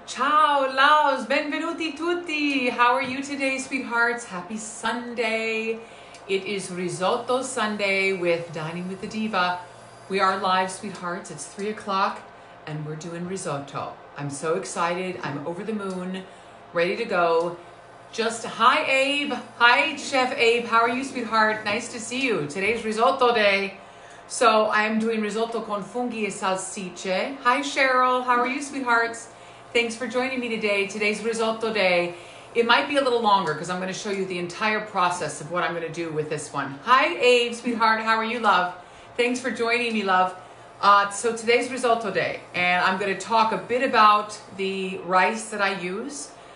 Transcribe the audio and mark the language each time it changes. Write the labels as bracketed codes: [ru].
[it] Ciao, Laos, benvenuti tutti. [en] How are you today, sweethearts? Happy Sunday. It is Risotto Sunday with Dining with the Diva. We are live, sweethearts. It's 3 o'clock and we're doing risotto. I'm so excited. I'm over the moon, ready to go. Just, hi, Abe. Hi, Chef Abe. How are you, sweetheart? Nice to see you. Today's risotto day. So I am doing risotto con funghi e salsicce. Hi, Cheryl. How are you, sweethearts? Thanks for joining me today. Today's risotto day. It might be a little longer because I'm going to show you the entire process of what I'm going to do with this one. Hi, Abe, sweetheart. How are you, love? Thanks for joining me, love. So today's risotto day, and I'm going to talk a bit about the rice that I use.